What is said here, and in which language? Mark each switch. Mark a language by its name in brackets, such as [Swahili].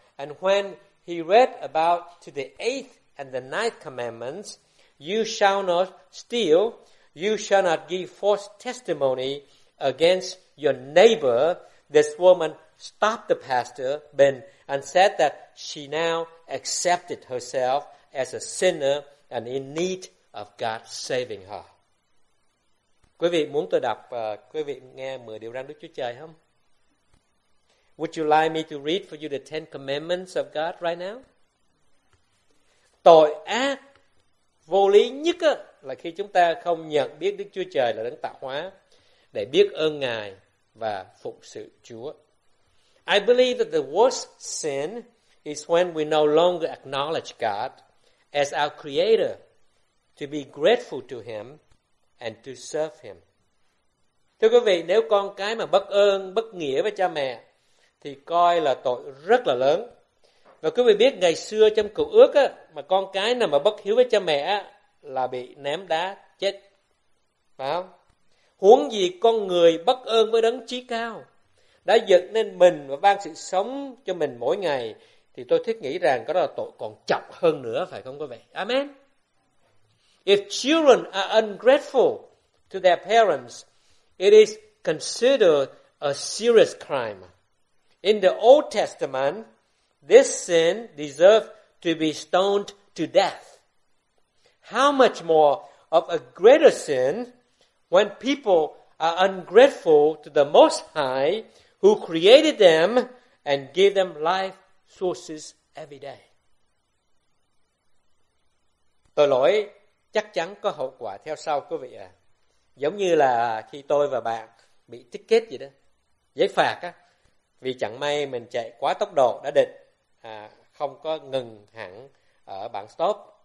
[English] And when he read about to the eighth and the ninth commandments, you shall not steal, you shall not give false testimony against your neighbor, this woman stopped the pastor, Ben, and said that she now accepted herself as a sinner and in need of God saving her. [Vietnamese] Quý vị muốn tôi đọc, quý vị nghe 10 điều răn Đức Chúa Trời không? [English] Would you like me to read for you the Ten Commandments of God right now? [Vietnamese] Tội ác vô lý nhất là khi chúng ta không nhận biết Đức Chúa Trời là đấng tạo hóa để biết ơn Ngài và phụng sự Chúa. [English] I believe that the worst sin is when we no longer acknowledge God as our creator, to be grateful to Him and to serve Him. [Vietnamese] Thưa quý vị, nếu con cái mà bất ơn, bất nghĩa với cha mẹ thì coi là tội rất là lớn. Và quý vị biết ngày xưa trong Cựu Ước á, mà con cái nào mà bất hiếu với cha mẹ á, là bị ném đá chết. Phải không? Huống gì con người bất ơn với đấng chí cao đã dựng nên mình và ban sự sống cho mình mỗi ngày thì tôi thiết nghĩ rằng đó là tội còn trọng hơn nữa, phải không quý vị? [English] Amen. If children are ungrateful to their parents, it is considered a serious crime. In the Old Testament, this sin deserved to be stoned to death. How much more of a greater sin when people are ungrateful to the Most High who created them and gave them life sources every day? [Vietnamese] Tội lỗi chắc chắn có hậu quả theo sau, quý vị ạ. Giống như là khi tôi và bạn bị ticket gì đó, giấy phạt á, vì chẳng may mình chạy quá tốc độ đã định, không có ngừng hẳn ở bảng stop.